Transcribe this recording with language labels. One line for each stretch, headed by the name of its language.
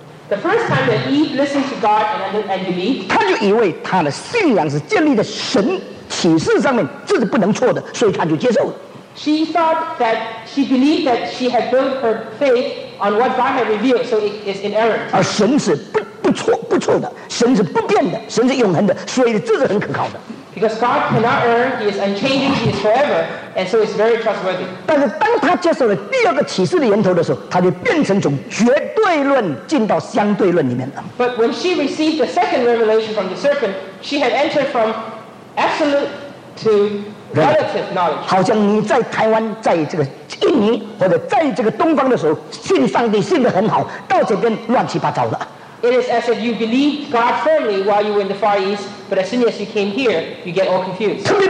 English: The first time that Eve listened to God and believed,
Chinese: 她就以为她的信仰是建立在神启示上面，这是不能错的，所以她就接受了。
English: She thought that she believed that she had built her faith on what God had revealed, so it is inerrant.
Chinese: 而神是不错的，神是不变的，神是永恒的，所以这是很可靠的。
English: Because God cannot err, He is unchanging, He is forever, and so it's very trustworthy.
Chinese: 但是当他接受了第二个启示的源头的时候，他就变成从绝对论进到相对论里面了。
English: But when she received the second revelation from the serpent, she had entered from absolute to relative knowledge. It is as if you believed God firmly while you were in the Far East, but as soon as you came here, you get all confused.